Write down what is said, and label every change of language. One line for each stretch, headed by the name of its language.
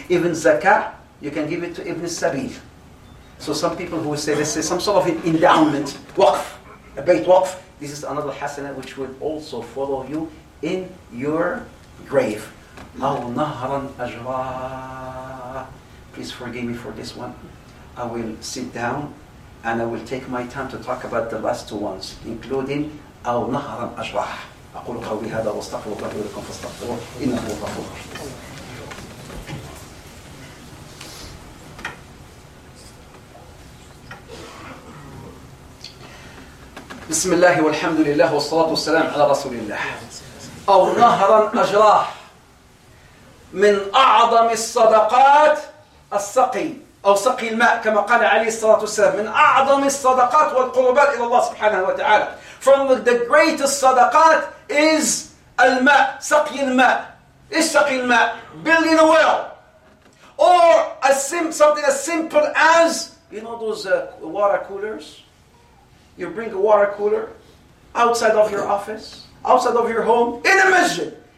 English: Even Zakah, you can give it to Ibn Sabil. So some people who say this is some sort of an endowment, waqf, a Bayt waqf, this is another hasanah which would also follow you in your grave.
Arabic: أو نهراً أجرا.
English: Please forgive me for this one. I will sit down and I will take my time to talk about the last two ones, including
Arabic: أو نهراً أجرا. أقول قولي هذا واستغفر الله لي ولكم فاستغفروه إنه هو الغفور الرحيم. بسم الله والحمد لله والصلاة والسلام على رسول الله. أو نهراً أجرا. من أعظم الصدقات السقي أو سقي الماء كما قال عليه الصلاة والسلام من أعظم الصدقات والقربات إلى الله سبحانه وتعالى.
English: From the greatest صدقات is
Arabic: الماء, سقي الماء. إيش سقي الماء؟
English: Building a well. Or a something as simple as, you know those water coolers? You bring a water cooler outside of your office, outside of your home, in a masjid.